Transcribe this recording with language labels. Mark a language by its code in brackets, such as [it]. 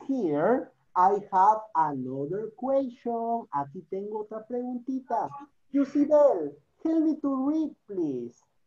[en] Here, I have another question. [es] Aquí tengo otra preguntita. [en] Yusibel, help me to read, please.